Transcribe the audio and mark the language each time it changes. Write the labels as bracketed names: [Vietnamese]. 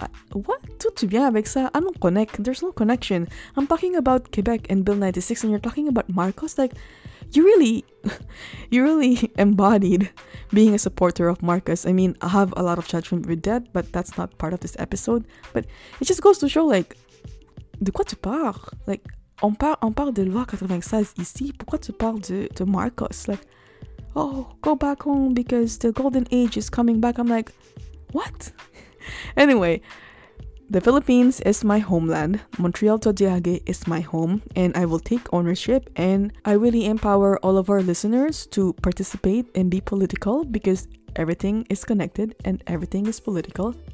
[English] There's no connection. I'm talking about Quebec and Bill 96, and you're talking about Marcos? Like, you really embodied being a supporter of Marcos. I mean, I have a lot of judgment with that, but that's not part of this episode. But it just goes to show, like, [French] de quoi tu parles? [English] Like, [French] on parle de loi 96 ici, pourquoi tu parles de Marcos? [English] Like, oh, go back home because the golden age is coming back. I'm like, what? Anyway, the Philippines is my homeland. Montreal Todiage is my home, and I will take ownership, and I really empower all of our listeners to participate and be political because everything is connected and everything is political.